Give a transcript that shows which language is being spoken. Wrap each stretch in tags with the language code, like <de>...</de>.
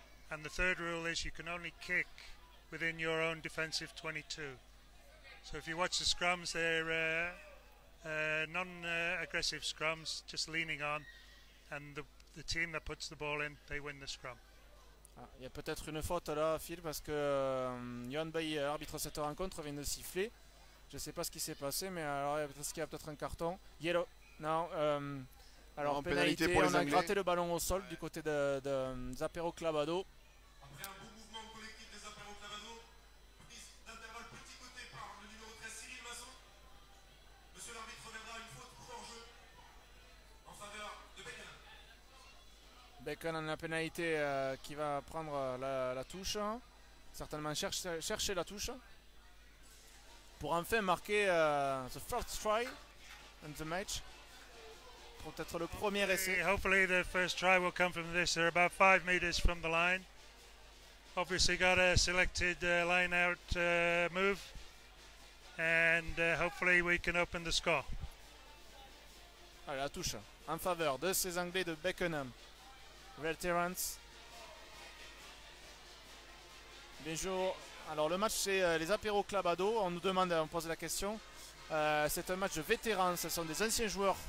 <en>And the third rule is you can only kick within your own defensive 22. So if you watch the scrums, they're non-aggressive scrums, just leaning on, and the team that puts the ball in, they win the scrum.</en> <fr>Ah, y a peut-être une faute là, Phil, parce que Johan Bailly, arbitre de cette rencontre, vient de siffler. Je ne sais pas ce qui s'est passé, mais alors est-ce qu'il y a peut-être un carton. Yellow. Non. Alors, pénalité pour les Anglais. On a gratté le ballon au sol du côté de Zapéro Clavado. Après un beau mouvement collectif des Zapéro Clavado, prise d'intervalle petit côté par le numéro 13, Cyril Masson. Monsieur l'arbitre verra une faute pour hors-jeu en faveur de Beckenham. Bacon en la pénalité qui va prendre la touche, certainement chercher la touche, pour enfin marquer</fr> <en>the first try in the match,</en> <fr>pour peut-être le premier essai.</fr> <en>Hopefully the first try will come from this. They're about 5 meters from the line. Obviously got a selected line out move, and hopefully we can open the score.</en> <fr>Allez, la touche en faveur de ces Anglais de Beckenham. Veterans, Bonjour. Alors le match c'est les Apéro Club Ado. On nous demande, on pose la question. C'est un match de vétérans, ce sont des anciens joueurs.</fr>